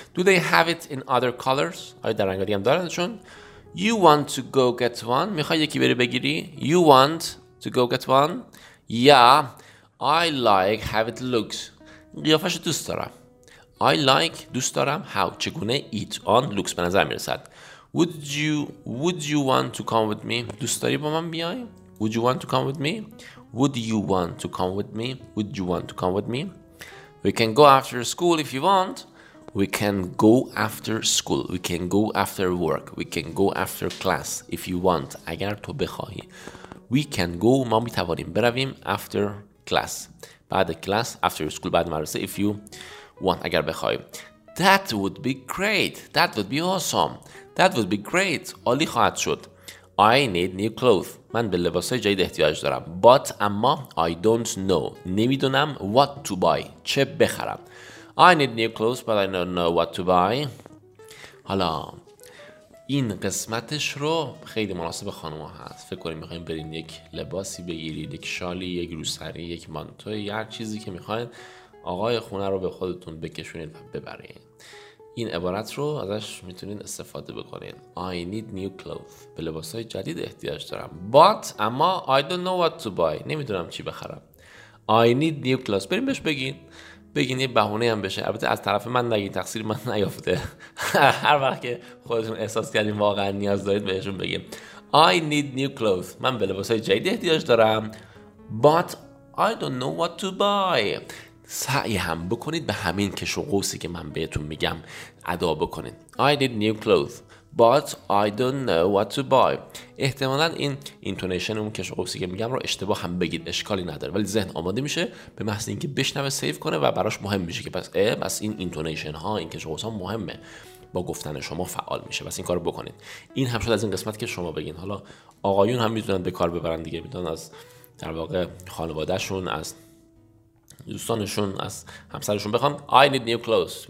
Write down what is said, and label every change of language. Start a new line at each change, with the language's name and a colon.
English: Do they have it in other colors؟ آیا در رنگ‌های دیگه هم دارنشون؟ You want to go get one؟ میخوای یکی بری بگیری؟ You want to go get one؟ Yeah, I like how it looks. قیافش دوست دارم. I like، دوست دارم. How، چگونه؟ It on، looks، به نظر میرسد. Would you want to come with me؟ دوست داری با من بیای؟ Would you want to come with me؟ Would you want to come with me? Would you want to come with me? We can go after school if you want. We can go after school. We can go after work. We can go after class if you want.
Persian: اگر تو بخوایی. We can go، ما میتوانیم برویم، after class، بعد class، after school، بعد مدرسه، if you want، اگر بخوایی.
English: That would be great. That would be awesome. That would be great. عالی خواهد شد. I need new clothes.
Persian: من به لباسای جدید احتیاج دارم.
English: But اما I don't know، نمیدونم، what to buy، چه بخرم. I need new clothes but I don't know what to buy.
Persian: حالا این قسمتش رو خیلی مناسب خانوما هست. فکر کنیم میخواییم برین یک لباسی بگیرید، یک شالی، یک روسری، یک مانتو، یه هر چیزی که میخواید، آقای خونه رو به خودتون بکشونید و ببرین. این عبارت رو ازش میتونین استفاده بکنین.
English: I need new clothes.
Persian: به لباسای جدید احتیاج دارم.
English: But اما I don't know what to buy.
Persian: نمیدونم چی بخرم. I need new clothes. بریم بهش بگین. بگین یه بهونه هم بشه. البته از طرف من نگین، تقصیر من نیافته. هر وقت که خودتون احساس کردین واقعا نیاز دارید بهشون بگین.
English: I need new clothes.
Persian: من به لباسای جدید احتیاج دارم.
English: But I don't know what to buy.
Persian: سعی هم بکنید به همین کش و قوسی که من بهتون میگم ادا بکنید.
English: I need new clothes but I don't know what to buy.
Persian: احتمالاً این اینتونیشن اون کش و قوسی که میگم رو اشتباه هم بگید، اشکالی نداره، ولی ذهن آماده میشه به محض اینکه بشنوه سیو کنه و براش مهم میشه که پس این اینتونیشن ها، این کش و قوس ها مهمه. با با گفتن شما فعال میشه. پس این کارو بکنید. این هم شد از این قسمت که شما بگین. حالا آقایون هم میتونن به کار ببرن دیگه، میتونن از در واقع خانوادهشون، از دوستانشون، از همسرشون بخوان I need new clothes.